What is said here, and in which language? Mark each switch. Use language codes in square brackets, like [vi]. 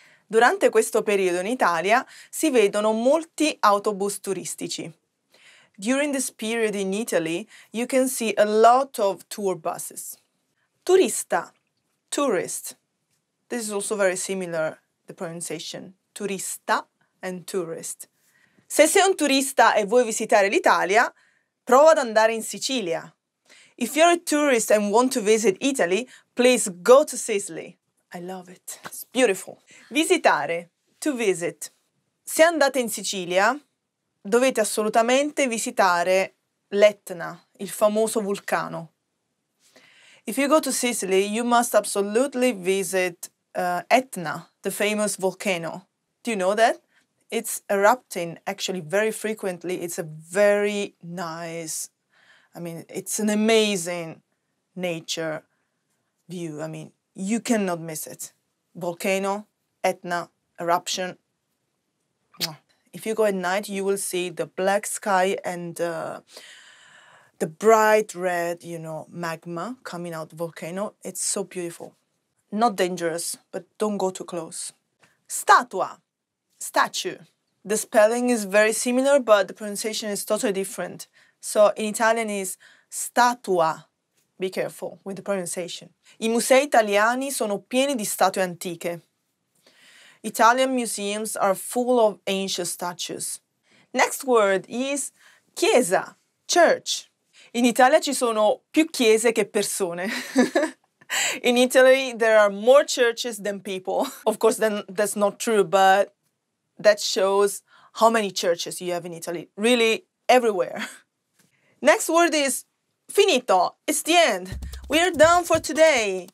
[it] Durante questo periodo in Italia si vedono molti autobus turistici. [en] During this period in Italy, you can see a lot of tour buses. Turista, tourist. This is also very similar, the pronunciation. Turista and tourist. [it] Se sei un turista e vuoi visitare l'Italia, prova ad andare in Sicilia. [en] If you're a tourist and want to visit Italy, please go to Sicily. I love it. It's beautiful. Visitare. To visit. [it] Se andate in Sicilia, dovete assolutamente visitare l'Etna, il famoso vulcano. [en] If you go to Sicily, you must absolutely visit Etna, the famous volcano. Do you know that? It's erupting, actually, very frequently. It's a very nice, I mean, it's an amazing nature view. I mean, you cannot miss it. Volcano, Etna, eruption. If you go at night, you will see the black sky and the bright red, you know, magma coming out of the volcano. It's so beautiful. Not dangerous, but don't go too close. Statua, statue. The spelling is very similar, but the pronunciation is totally different. So in Italian is statua. Be careful with the pronunciation. [it] I musei italiani sono pieni di statue antiche. [en] Italian museums are full of ancient statues. Next word is chiesa, church. [it] In Italia ci sono più chiese che persone. [en] In Italy, there are more churches than people. Of course, then that's not true, but that shows how many churches you have in Italy. Really, everywhere. Next word is finito. It's the end. We are done for today.